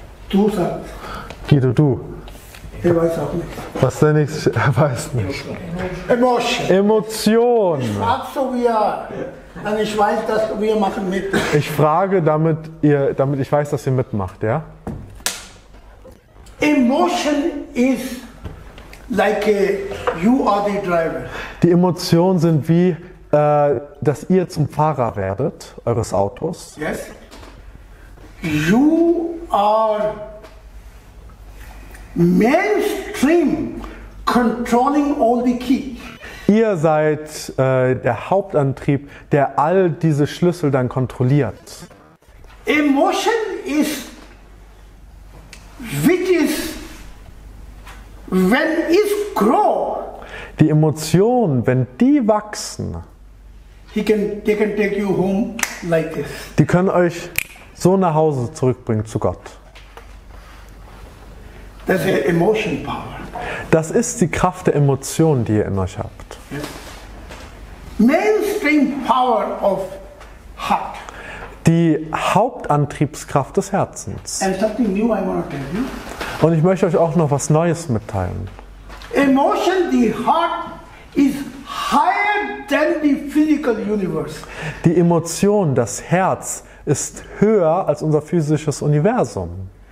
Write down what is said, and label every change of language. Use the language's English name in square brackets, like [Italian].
[German] Du sagst. Guido, du. Er weiß auch nicht. Was ist der nächste Schlüssel? Er weiß nicht. Emotion. Emotion. Ich frag so wie er. Und ich weiß, dass wir machen mit. Ich frage, damit ich weiß, dass ihr mitmacht, ja? [English] Emotion is like a, you are the driver. [German] Die Emotionen sind wie, dass ihr zum Fahrer werdet, eures Autos. [English] Yes. You are mainstream controlling all the keys. [German] Ihr seid der Hauptantrieb, der all diese Schlüssel dann kontrolliert. [English] Emotion is, which is, when it grow. [German] Die Emotionen, wenn die wachsen, [English] they can take you home like this. [German] Die können euch so nach Hause zurückbringen zu Gott. [English] That's your emotion power. [German] Das ist die Kraft der Emotionen, die ihr in euch habt. [English] Mainstream power of heart. [German] Die Hauptantriebskraft des Herzens. [English] And something new I want to tell you. [German] Und ich möchte euch auch noch was Neues mitteilen. [English] Emotion, the heart, is higher than the physical universe. [German] Die Emotion, das Herz, ist höher als unser physisches Universum.